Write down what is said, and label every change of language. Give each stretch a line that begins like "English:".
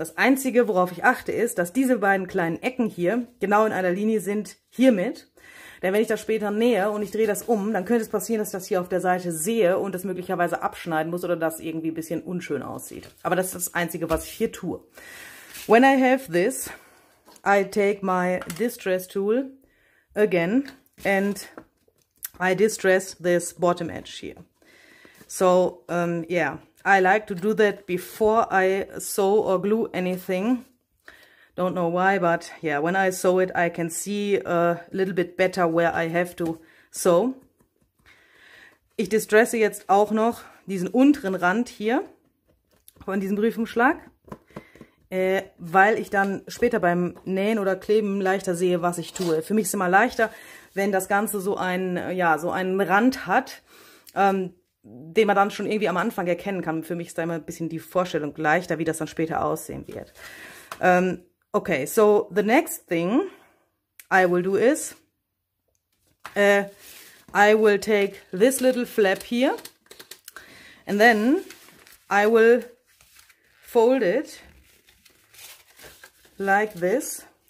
German: Das Einzige, worauf ich achte, ist, dass diese beiden kleinen Ecken hier genau in einer Linie sind hiermit. Denn wenn ich das später nähe und ich drehe das um, dann könnte es passieren, dass ich das hier auf der Seite sehe und das möglicherweise abschneiden muss oder das irgendwie ein bisschen unschön aussieht. Aber das ist das Einzige, was ich hier tue.
English: When I have this, I take my distress tool again and I distress this bottom edge here. So, I like to do that before I sew or glue anything. Don't know why, but yeah, when I sew it, I can see a little bit better where I have to sew.
German: Ich distresse jetzt auch noch diesen unteren Rand hier von diesem Prüfumschlag, weil ich dann später beim Nähen oder Kleben leichter sehe, was ich tue. Für mich ist es immer leichter, wenn das Ganze so einen, ja, so einen Rand hat, den man dann schon irgendwie am Anfang erkennen kann. Für mich ist da immer ein bisschen die Vorstellung leichter, wie das dann später aussehen wird.
English: Okay, so the next thing I will do is, I will take this little flap here and then I will fold it like this.